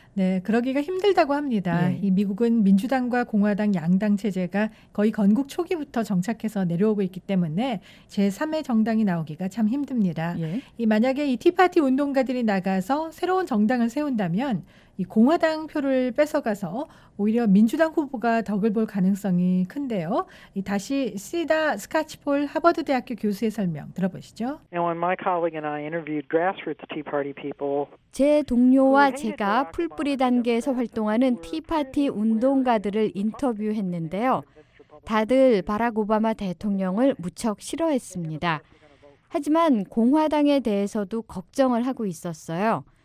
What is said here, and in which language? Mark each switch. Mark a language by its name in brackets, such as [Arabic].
[Korean] 네, 그러기가 힘들다고 합니다. 예. 이 미국은 민주당과 공화당 양당 체제가 거의 건국 초기부터 정착해서 내려오고 있기 때문에 제3의 정당이 나오기가 참 힘듭니다. 예. 이 만약에 이 티파티 운동가들이 나가서 새로운 정당을 세운다면 이 공화당 표를 뺏어가서 오히려 민주당 후보가 덕을 볼 가능성이 큰데요. 이 다시 시다 스카치폴 하버드대학교 교수의 설명 들어보시죠. [English] When my colleague and I interviewed grassroots Tea Party people, [Korean] 제 동료와 제가 풀뿌리 단계에서 활동하는 티파티 운동가들을 인터뷰했는데요. 다들 바락 오바마 대통령을 무척 싫어했습니다. 하지만 공화당에 대해서도 걱정을 하고 있었어요.